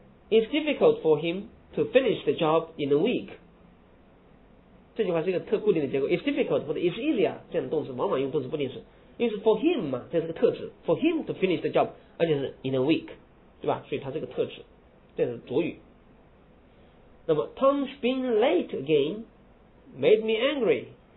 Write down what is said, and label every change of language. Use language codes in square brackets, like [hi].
[en] It's difficult for him to finish the job in a week. [zh] 这句话是一个特固定的结构。 [en] It's difficult [zh] 或者 [en] it's easier [zh] 这样的动词往往用动词不定式，因为是 [en] for him [zh] 嘛，这是个特指。 [en] For him to finish the job, [zh] 而且是 [en] in a week, [zh] 对吧？所以它是个特指，这是主语。 [en] 那么 Tom's been late again, made me angry.